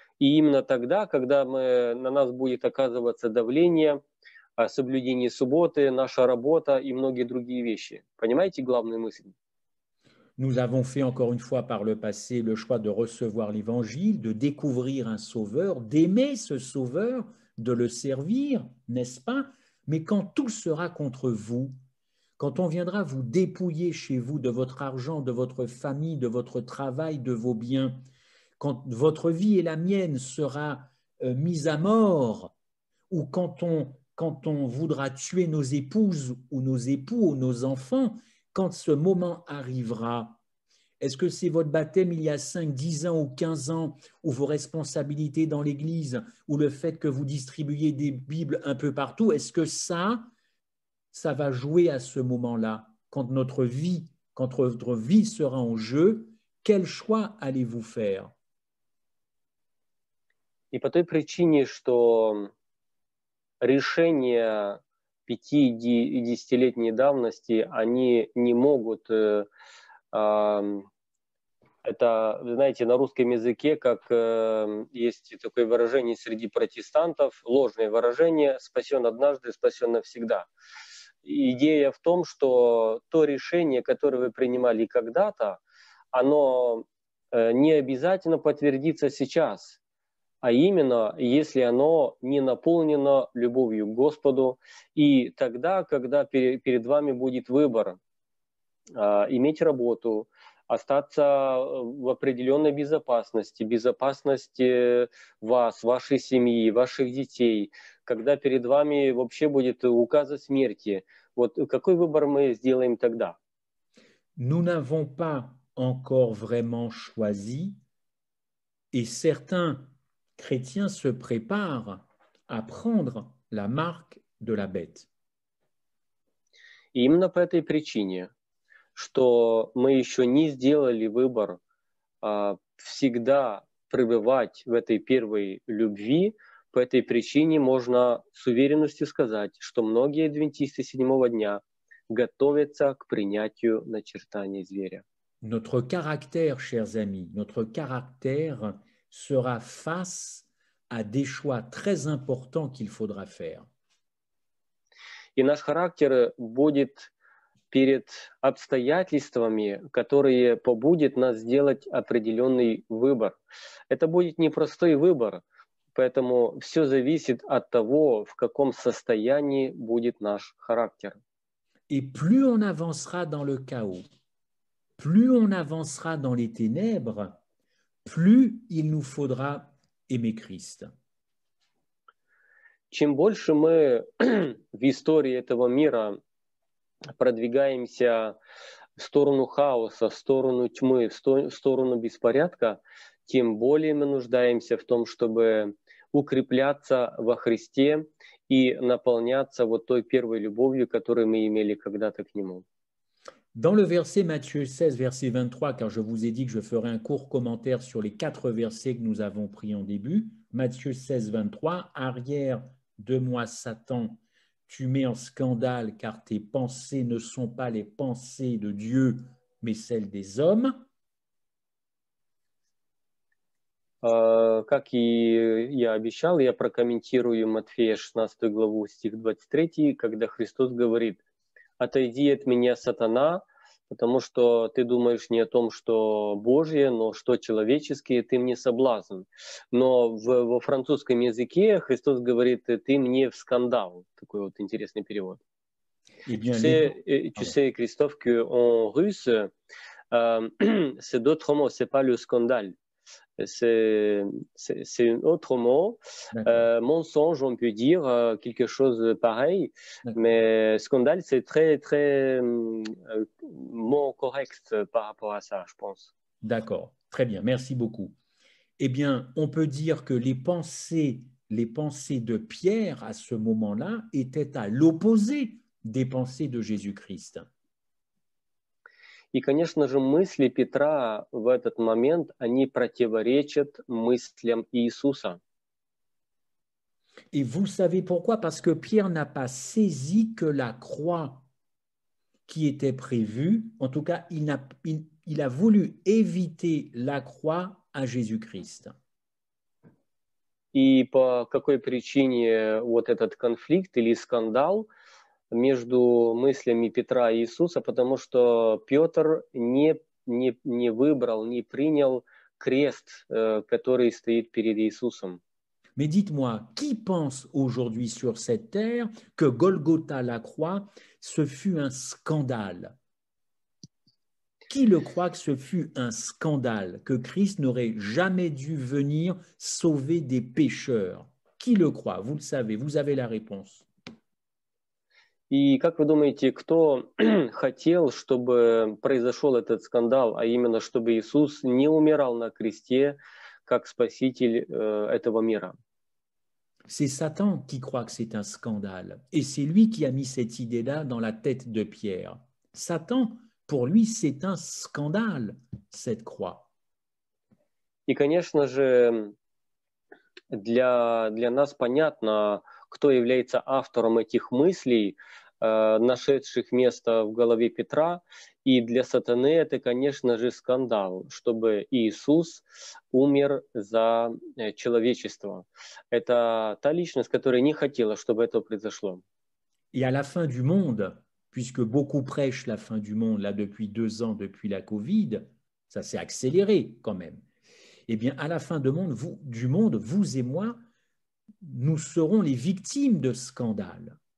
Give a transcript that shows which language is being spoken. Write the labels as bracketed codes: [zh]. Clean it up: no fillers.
[ru] И именно тогда, когда на нас будет оказываться давление, соблюдение субботы, наша работа и многие другие вещи. Понимаете главную мысль? [fr] Nous avons fait encore une fois par le passé le choix de recevoir l'Évangile, de découvrir un Sauveur, d'aimer ce Sauveur, de le servir, n'est-ce pas? Mais quand tout sera contre vous, quand on viendra vous dépouiller chez vous de votre argent, de votre famille, de votre travail, de vos biens, quand votre vie et la mienne sera mise à mort, ou quand on voudra tuer nos épouses ou nos époux ou nos enfants, quand ce moment arrivera, est-ce que c'est votre baptême il y a 5, 10 ans ou 15 ans, ou vos responsabilités dans l'Église, ou le fait que vous distribuiez des Bibles un peu partout, est-ce que ça va jouer à ce moment-là, quand notre vie sera en jeu, quel choix allez-vous faire? [ru] И по той причине, что решения 5-10-летней давности, они не могут, это, знаете, на русском языке, как есть такое выражение среди протестантов, ложное выражение, спасен однажды, спасен навсегда. Идея в том, что то решение, которое вы принимали когда-то, оно не обязательно подтвердится сейчас. А именно, если оно не наполнено любовью к Господу, и тогда, когда перед вами будет выбор иметь работу, остаться в определенной безопасности, безопасности вас, вашей семьи, ваших детей, когда перед вами вообще будет указ о смерти, вот какой выбор мы сделаем тогда? [fr] Nous n'avons pas encore vraiment choisi, et certains Chrétien se prépare à prendre la marque de la bête. [ru] Именно по этой причине, что мы еще не сделали выбор всегда пребывать в этой первой любви, по этой причине можно с уверенностью сказать, что многие адвентисты седьмого дня готовятся к принятию начертания зверя. [fr] Notre caractère, chers amis, notre caractère sera face à des choix très importants qu'il faudra faire. [ru] И наш характер будет перед обстоятельствами, которые побудят нас сделать определенный выбор. Это будет непростой выбор, поэтому все зависит от того, в каком состоянии будет наш характер. [fr] Et plus on avancera dans le chaos, plus on avancera dans les ténèbres, plus il nous faudra aimer Christ. [ru] Чем больше мы в истории этого мира продвигаемся в сторону хаоса, в сторону тьмы, в сторону беспорядка, тем более мы нуждаемся в том, чтобы укрепляться во Христе и наполняться вот той первой любовью, которую мы имели когда-то к Нему. [fr] Dans le verset Matthieu 16, verset 23, car je vous ai dit que je ferai un court commentaire sur les quatre versets que nous avons pris en début, Matthieu 16, 23, « Arrière de moi, Satan, tu mets en scandale, car tes pensées ne sont pas les pensées de Dieu, mais celles des hommes. » [ru] Как и я обещал, я прокомментирую Матфея 16 главу, стих 23, когда Христос говорит: «Отойди от меня, сатана, потому что ты думаешь не о том, что Божье, но что человеческое, ты мне соблазн». Но во французском языке Христос говорит: «Ты мне в скандал». Такой вот интересный перевод. [fr] Tu sais, Christophe, que en russe, c'est d'autres mots, c'est pas le scandale. C'est un autre mot, mensonge, on peut dire, quelque chose de pareil, mais scandale, c'est très, très mot correct par rapport à ça, je pense. D'accord, très bien, merci beaucoup. Eh bien, on peut dire que les pensées de Pierre à ce moment-là étaient à l'opposé des pensées de Jésus-Christ. [ru] И, конечно же, мысли Петра в этот момент, они противоречат мыслям Иисуса. [fr] Et vous savez pourquoi? Parce que Pierre n'a pas saisi que la croix qui était prévue, en tout cas, il a voulu éviter la croix à Jésus-Christ. [ru] И по какой причине вот этот конфликт или скандал между мыслями Петра и Иисуса? Потому что Петр не выбрал, не принял крест, который стоит перед Иисусом. [fr] Mais dites-moi, qui pense aujourd'hui sur cette terre que Golgotha, la croix, ce fut un scandale? Qui le croit que ce fut un scandale, que Christ n'aurait jamais dû venir sauver des pécheurs? Qui le croit? Vous le savez, vous avez la réponse. [ru] И как вы думаете, кто хотел, чтобы произошел этот скандал, а именно, чтобы Иисус не умирал на кресте, как спаситель этого мира? [fr] C'est Satan qui croit que c'est un scandale. Et c'est lui qui a mis cette idée-là dans la tête de Pierre. Satan, pour lui, c'est un scandale, cette croix. [ru] И, конечно же, для нас понятно, кто является автором этих мыслей, нашедших место в голове Петра, и для сатаны это, конечно же, скандал, чтобы Иисус умер за человечество. Это та личность, которая не хотела, чтобы это произошло. И [fr] à la fin du monde, puisque beaucoup prêchent la fin du monde là depuis 2 ans, depuis la COVID, ça s'est accéléré quand même. Eh bien, à la fin du monde, vous et moi, nous serons les victimes de scandales.